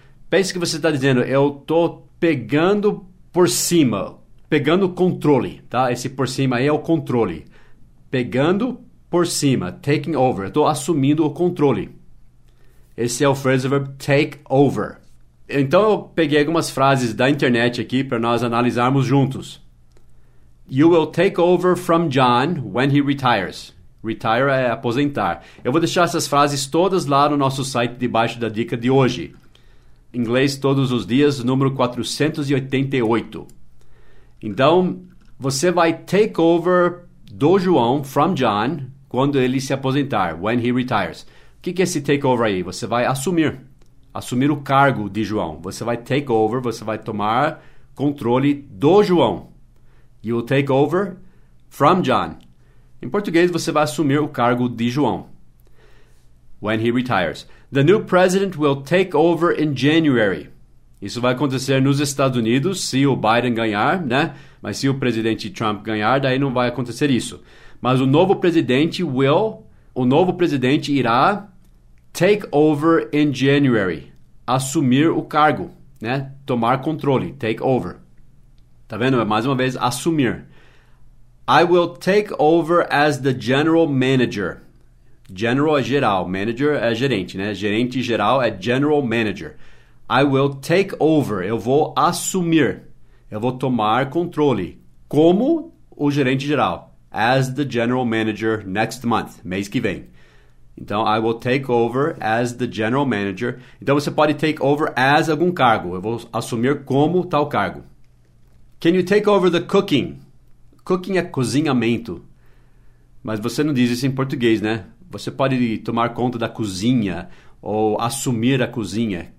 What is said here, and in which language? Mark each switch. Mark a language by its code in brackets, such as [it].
[pt] Pense que você está dizendo, eu estou pegando por cima, pegando controle, tá? Esse por cima aí é o controle. Pegando por cima, taking over, estou assumindo o controle. Esse é o phrasal verb take over. Então eu peguei algumas frases da internet aqui para nós analisarmos juntos. [en] You will take over from John when he retires. [pt] Retire é aposentar. Eu vou deixar essas frases todas lá no nosso site debaixo da dica de hoje. Inglês Todos os Dias, número 488. Então, você vai take over do João, [en] from John, [pt] quando ele se aposentar, [en] when he retires. [pt] O que é esse take over aí? Você vai assumir. Assumir o cargo de João. Você vai take over, você vai tomar controle do João. [en] You will take over from John. [pt] Em português, você vai assumir o cargo de João. [en] When he retires. The new president will take over in January. [pt] Isso vai acontecer nos Estados Unidos, se o Biden ganhar, né? Mas se o presidente Trump ganhar, daí não vai acontecer isso. Mas o novo presidente will, o novo presidente irá [en] take over in January. [pt] Assumir o cargo, né? Tomar controle, take over. Tá vendo? Mais uma vez, assumir. [en] I will take over as the general manager. [pt] General é geral, manager é gerente, né? Gerente geral é general manager. [en] I will take over, [pt] eu vou assumir. Eu vou tomar controle como o gerente geral, [en] as the general manager next month, [pt] mês que vem. Então, [en] I will take over as the general manager. [pt] Então, você pode [en] take over as [pt] algum cargo. Eu vou assumir como tal cargo. [en] Can you take over the cooking? Cooking [pt] é cozinhamento. Mas você não diz isso em português, né? Você pode tomar conta da cozinha ou assumir a cozinha.